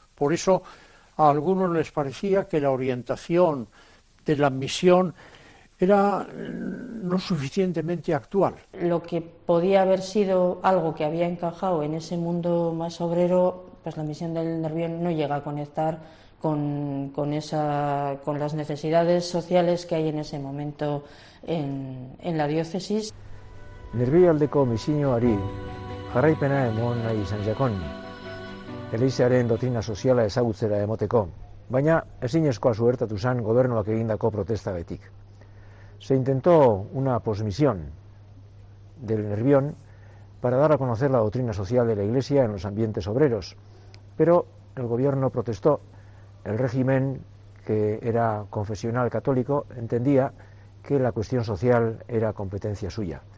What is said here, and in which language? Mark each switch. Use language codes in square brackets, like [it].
[es] Por eso a algunos les parecía que la orientación de la misión era no suficientemente actual. Lo que podía haber sido algo que había encajado en ese mundo más obrero, pues la misión del Nervión no llega a conectar con las necesidades sociales que hay en ese momento en la diócesis. [eu] Nervioaldeko misioari jarraipena emon nahi izan zakon, Elizaren doktrina soziala ezagutzera emoteko, baina ezinezkoa suertatu zan gobernuak egindako protesta betik. [es] Se intentó una posmisión del Nervión para dar a conocer la doctrina social de la Iglesia en los ambientes obreros, pero el gobierno protestó. El régimen, que era confesional católico, entendía que la cuestión social era competencia suya.